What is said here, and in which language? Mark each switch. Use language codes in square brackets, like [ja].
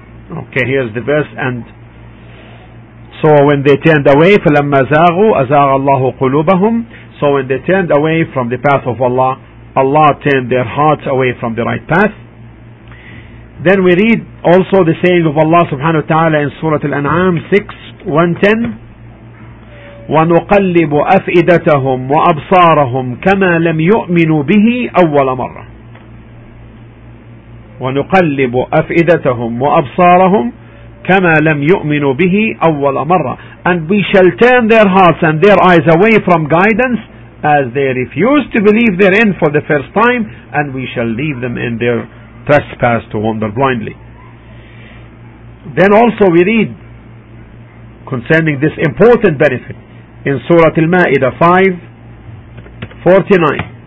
[en] Okay, here's the verse. And so when they turned away, [ar] فَلَمَّا زَاغُوا أَزَاغَ اللَّهُ قُلُوبَهُمْ. [en] So when they turned away from the path of Allah, Allah turned their hearts away from the right path. Then we read also the saying of Allah subhanahu wa ta'ala in Surah Al-An'am 6:110. [ar] ونقلب أفئدتهم وأبصارهم كما لم يؤمنوا به أول مرة. ونقلب أفئدتهم وأبصارهم كما لم يؤمنوا به أول مرة. [en] And we shall turn their hearts and their eyes away from guidance as they refuse to believe therein for the first time, and we shall leave them in their trespass to wander blindly. Then also we read concerning this important benefit in Surah Al-Ma'idah 5:49.